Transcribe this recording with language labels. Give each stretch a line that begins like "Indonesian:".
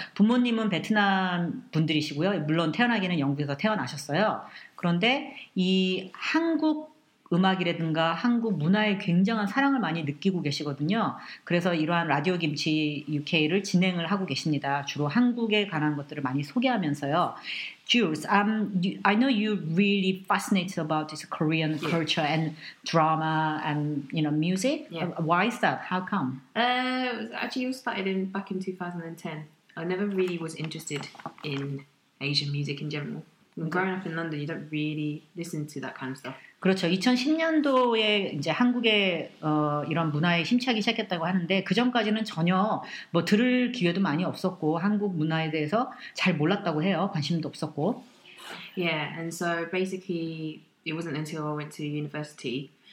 Korean: 부모님은 베트남 분들이시고요. 물론 태어나기는 영국에서 태어나셨어요. 그런데 이 한국 음악이라든가 한국 문화에 굉장한 사랑을 많이 느끼고 계시거든요. 그래서 이러한 라디오 김치 UK를 진행을 하고 계십니다. 주로 한국에 관한 것들을 많이 소개하면서요.
English: Jules, I know you're really fascinated about this Korean culture and drama and you know music. Yeah. Why is that? How come? It started back in 2010. I never really was interested in Asian music in general. Growing up in London, you don't really listen to that kind of stuff.
Korean: 그렇죠. 2010년도에 이제 한국의 이런 문화에 심취하기 시작했다고 하는데 그 전까지는 전혀 뭐 들을 기회도 많이 없었고 한국 문화에 대해서 잘 몰랐다고 해요. 관심도 없었고.
English: Yeah, and so basically it wasn't until I went to university.